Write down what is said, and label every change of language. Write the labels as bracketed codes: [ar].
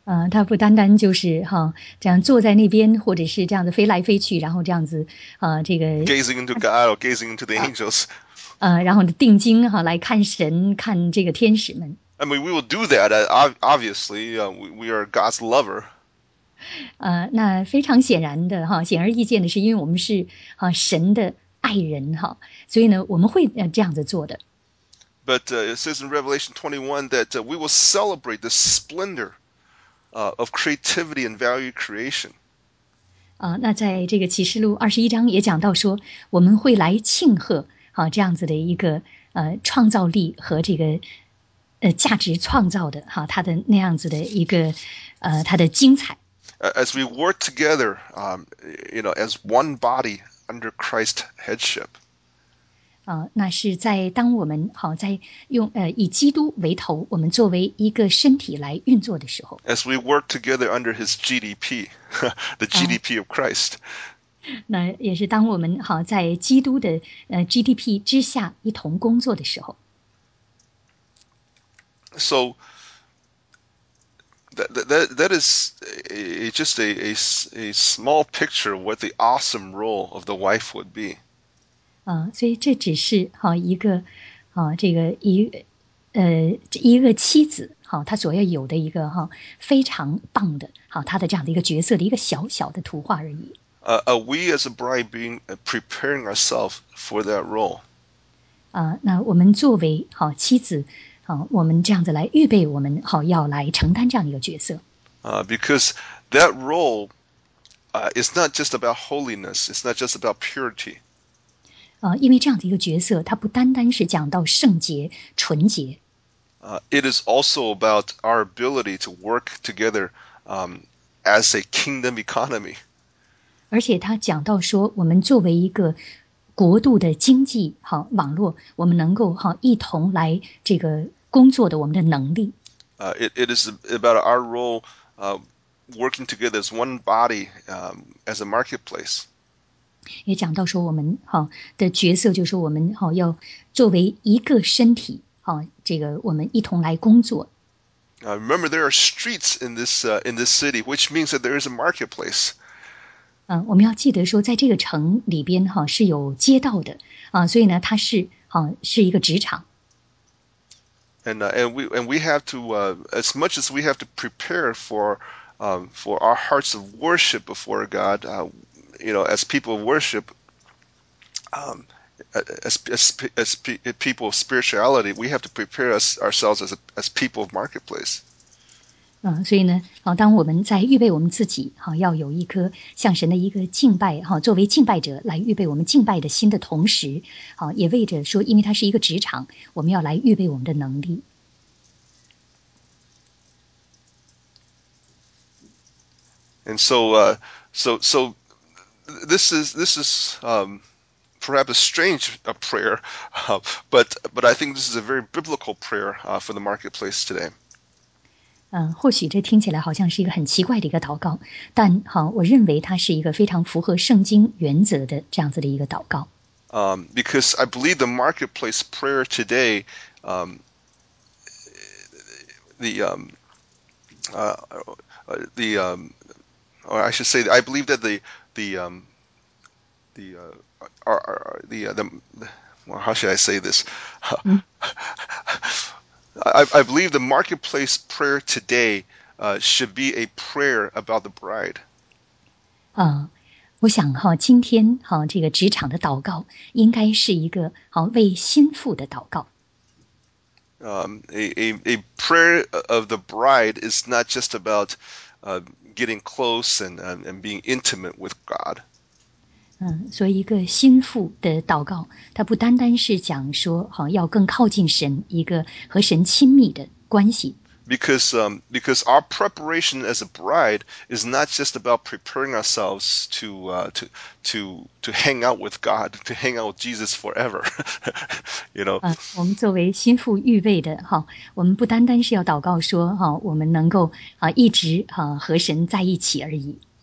[zh] 他不单单就是这样坐在那边或者是这样子飞来飞去然后这样子这个。 [en] Gazing into God or gazing into the angels. [zh] 然后定睛来看神看这个天使们。 [en] I mean, we will do that, obviously, we are God's lover. [zh] 那非常显然的显而易见的是因为我们是神的爱人所以呢我们会这样子做的。 [en] But it says in Revelation 21 that we will celebrate the splendor of creativity and value creation. [zh] 那在这个启示录21章也讲到说，我们会来庆贺这样子的一个创造力和这个价值创造的它的那样子的一个它的精彩。 [en] As we work together, you know, as one body under Christ's headship. [zh] 那是在当我们在用以基督为头，我们作为一个身体来运作的时候。 [en] As we work together under His GDP, the GDP of Christ. [zh] 那也是当我们在基督的GDP 之下一同工作的时候。 [en] So. That is just a small picture of what the awesome role of the wife would be. [zh] 所以这只是一个这个一个妻子她所要有的一个非常棒的她的这样的一个角色的一个小小的图画而已。 [en] We as a bride being preparing ourselves for that role. [zh] 那我们作为妻子。我们这样子来预备我们要来承担这样一个角色。 [en] Because that role is not just about holiness, it's not just about purity. [zh] 因为这样的一个角色它不单单是讲到圣洁纯洁。 [en] It is also about our ability to work together as a kingdom economy. [zh] 而且它讲到说我们作为一个国度的经济网络我们能够一同来这个工作的我们的能力。 [en] It is about our role working together as one body as a marketplace. [zh] 也讲到说我们的角色就是我们要作为一个身体这个我们一同来工作。 [en] Remember there are streets in this city, which means that there is a marketplace. [zh] 我们要记得说在这个城里边是有街道的所以呢它是是一个职场。 [en] And we have to as much as we have to prepare for our hearts of worship before God, you know, as people of worship, as people of spirituality, we have to prepare ourselves as people of marketplace. [zh] 所以呢，当我们在预备我们自己，要有一颗向神的一个敬拜，作为敬拜者来预备我们敬拜的心的同时，也为着说，因为它是一个职场，我们要来预备我们的能力。 [en] And so, so this is perhaps a strange prayer, but I think this is a very biblical prayer for the marketplace today. [zh] 或许这听起来好像是一个很奇怪的一个祷告，但我认为它是一个非常符合圣经原则的这样子的一个祷告。 [en] Because I believe the marketplace prayer today, I believe that I believe the marketplace prayer today should be a prayer about the bride. [zh] 我想今天这个职场的祷告应该是一个为新妇的祷告。 [en] A prayer of the bride is not just about getting close and being intimate with God. [zh] 所以一个心腹的祷告它不单单是讲说要更靠近神一个和神亲密的关系。 [en] Because our preparation as a bride is not just about preparing ourselves to hang out with God, to hang out with Jesus forever. You know, [zh] 我们作为心腹预备的我们不单单是要祷告说我们能够一直和神在一起而已。